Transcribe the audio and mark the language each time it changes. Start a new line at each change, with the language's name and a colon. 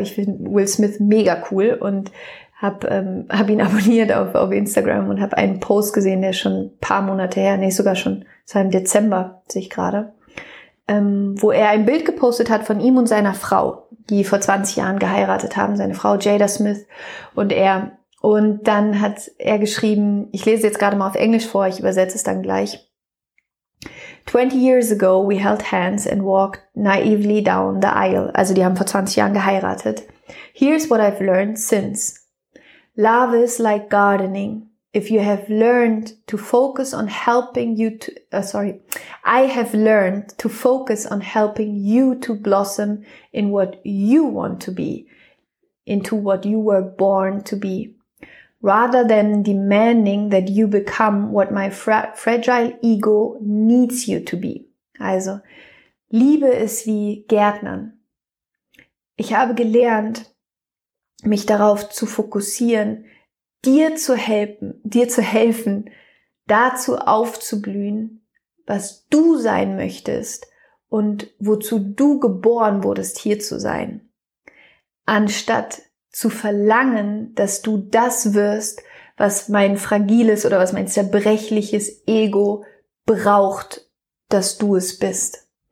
German: Ich finde Will Smith mega cool und hab ihn abonniert auf Instagram und habe einen Post gesehen, der schon ein paar Monate her, nee, sogar schon, es war im Dezember, sehe ich gerade, wo er ein Bild gepostet hat von ihm und seiner Frau, die vor 20 Jahren geheiratet haben, seine Frau Jada Smith und er. Und dann hat er geschrieben, ich lese jetzt gerade mal auf Englisch vor, ich übersetze es dann gleich.
English: 20 years ago we held hands and walked naively down the aisle.
German: Also die haben vor 20 Jahren geheiratet.
English: Here's what I've learned since. Love is like gardening. If you have learned to focus on helping you to, I have learned to focus on helping you to blossom in what you want to be, into what you were born to be. Rather than demanding that you become what my fragile ego needs you to be.
German: Also, Liebe ist wie Gärtnern. Ich habe gelernt, mich darauf zu fokussieren, dir zu helfen, dazu aufzublühen, was du sein möchtest und wozu du geboren wurdest, hier zu sein, anstatt zu verlangen, dass du das wirst, was mein fragiles oder was mein zerbrechliches Ego braucht, dass du es bist.